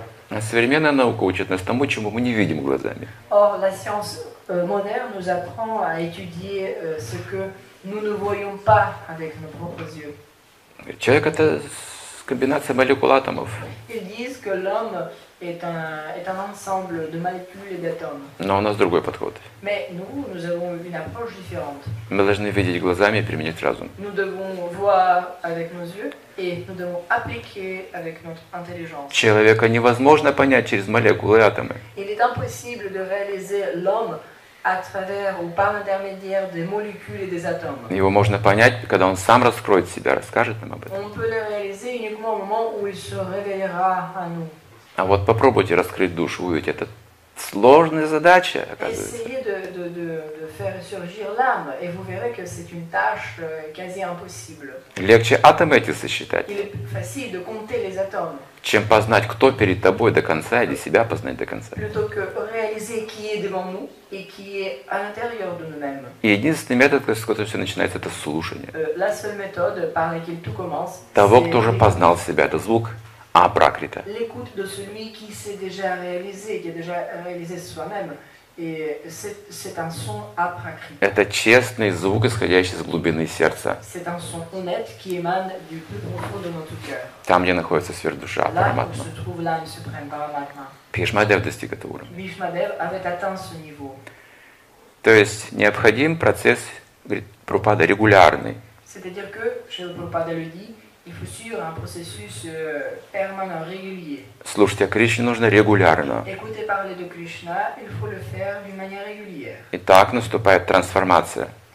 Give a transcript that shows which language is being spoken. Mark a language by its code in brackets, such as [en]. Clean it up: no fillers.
[ru] А современная наука учит нас тому, чему мы не видим глазами. [fr] Or, la science moderne nous apprend à étudier ce que nous ne voyons pas avec nos propres yeux. [ru] Человек — это комбинация молекул атомов. [fr] Ils disent que l'homme est un ensemble de molécules et d'atomes. [ru] Но у нас другой подход. [fr] Mais nous avons une approche différente. [ru] Мы должны видеть глазами и применить разум. [fr] Nous devons voir avec nos yeux. Et nous devons appliquer avec notre intelligence. [ru] Человека невозможно понять через молекулы и атомы. [fr] Il est impossible de réaliser l'homme à travers ou par l'intermédiaire des molécules et des atomes. [ru] Его можно понять, когда он сам раскроет себя, расскажет нам об этом. [fr] On peut le réaliser uniquement au moment où il se révélera à nous. [ru] А вот попробуйте раскрыть душу, увидеть, это сложная задача, оказывается. [fr] Essayez de faire surgir l'âme et vous verrez que c'est une tâche quasi impossible. [ru] Легче атомы эти сосчитать. [fr] Il est facile de compter les atomes. [ru] Чем познать, кто перед тобой до конца или себя познать до конца. [fr] Plutôt que réaliser qui est devant nous et qui est à l'intérieur de nous-mêmes. [ru] И единственный метод, с которого все начинается, это слушание. [fr] La seule méthode par laquelle tout commence. [ru] Того, кто уже познал себя, это звук. А пракрита. [fr] L'écoute de celui qui s'est déjà réalisé, qui a déjà réalisé soi-même, et c'est un son à pракрита. [ru] Это честный звук, исходящий из глубины сердца. [fr] C'est un son honnête qui émane du plus profond de notre cœur. [ru] Там, где находится сверхдуша, параматма. [fr] Là où se trouve l'âme suprême, параматма. [ru] Бхишмадев достиг этого уровня. [fr] Бхишмадев avait atteint ce niveau. [ru] То есть необходим процесс, говорит Прабхупада, регулярный. [fr] C'est-à-dire que, Шрила Прабхупада le dit. Il faut suivre un processus permanent, régulier. [ru] Слушать о Кришне нужно регулярно. [fr] Écouter parler de Krishna, il faut le faire d'une manière régulière. [ru] И так наступает трансформация.